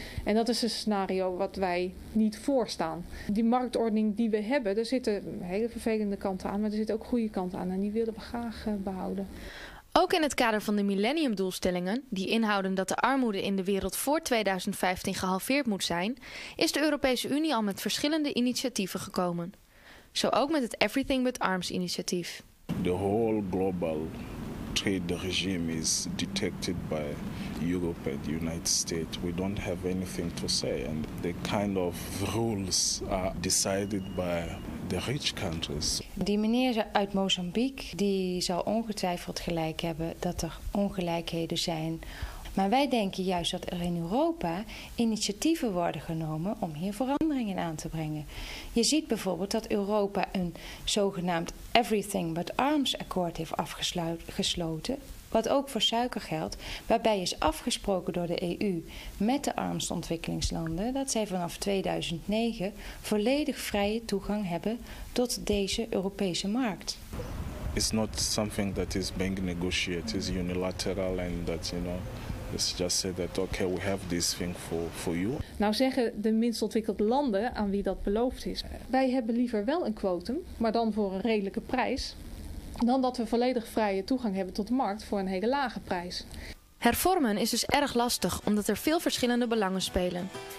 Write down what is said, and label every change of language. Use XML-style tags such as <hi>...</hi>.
<nl>En dat is een scenario wat wij niet voorstaan. Die marktordening die we hebben, daar zitten hele vervelende kanten aan, maar er zitten ook goede kanten aan en die willen we graag behouden. Ook in het kader van de millenniumdoelstellingen, die inhouden dat de armoede in de wereld voor 2015 gehalveerd moet zijn, is de Europese Unie al met verschillende initiatieven gekomen. Zo ook met het Everything But Arms initiatief.</nl> <en>The whole global trade regime is detected by Europe and the United States. We don't have anything to say. And the kind of rules are decided by the rich countries.</en> <nl>Die meneer uit Mozambique die zal ongetwijfeld gelijk hebben dat er ongelijkheden zijn. Maar wij denken juist dat er in Europa initiatieven worden genomen om hier veranderingen aan te brengen. Je ziet bijvoorbeeld dat Europa een zogenaamd Everything But Arms akkoord heeft afgesloten. Wat ook voor suiker geldt, waarbij is afgesproken door de EU met de armste ontwikkelingslanden dat zij vanaf 2009 volledig vrije toegang hebben tot deze Europese markt.</nl> <en>It's not something that is being negotiated, it's unilateral and that, you know, let's just say that okay, we have this thing for you.</en> <nl>Nou zeggen de minst ontwikkelde landen aan wie dat beloofd is. Wij hebben liever wel een kwotum, maar dan voor een redelijke prijs. Dan dat we volledig vrije toegang hebben tot de markt voor een hele lage prijs. Hervormen is dus erg lastig, omdat er veel verschillende belangen spelen.</nl>